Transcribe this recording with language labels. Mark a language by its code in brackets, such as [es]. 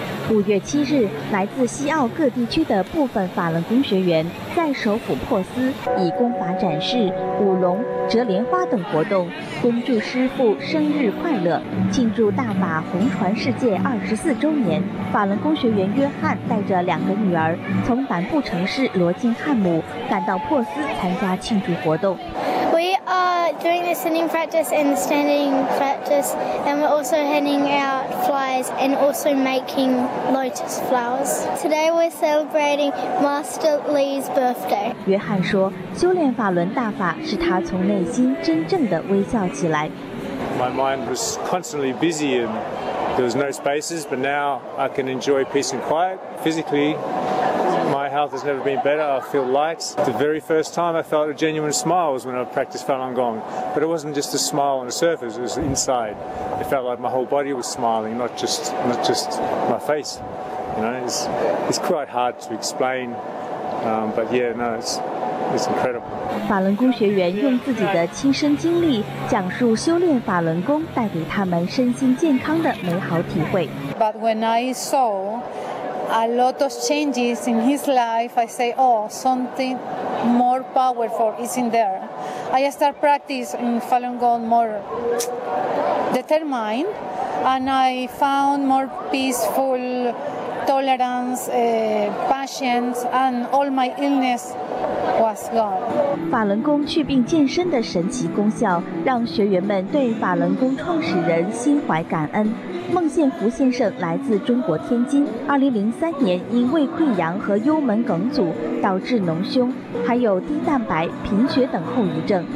[zh] 五月七日，来自西澳各地区的部分法轮功学员在首府珀斯以功法展示、舞龙、折莲花等活动，恭祝师父生日快乐，庆祝大法红传世界24周年。法轮功学员约翰带着两个女儿从南部城市罗金汉姆赶到珀斯参加庆祝活动。 [en] We are doing the sitting practice and the standing practice, and we're also handing out flies and also making lotus flowers. Today we're celebrating Master Lee's birthday. [zh] 约翰说，修炼法轮大法使他从内心真正的微笑起来。 [en] My mind was constantly busy and there was no spaces, but now I can enjoy peace and quiet physically. My health has never been better. I feel light. The very first time I felt a genuine smile was when I practiced Falun Gong. But it wasn't just a smile on the surface, it was inside. It felt like my whole body was smiling, not just my face. You know, it's quite hard to explain. It's incredible. [zh] 法轮功学员用自己的亲身经历讲述修炼法轮功带给他们身心健康的美好体会。 [en] But when I saw,A lot of changes in his life. I say, oh, something more powerful is in there. I start practicing Falun Gong more determined, and I found more peaceful tolerance, patience, and all my illness was gone. [zh] 法轮功去病健身的神奇功效，让学员们对法轮功创始人心怀感恩。孟宪福先生来自中国天津，2003年因胃溃疡和幽门梗阻导致脓胸，还有低蛋白、贫血等后遗症。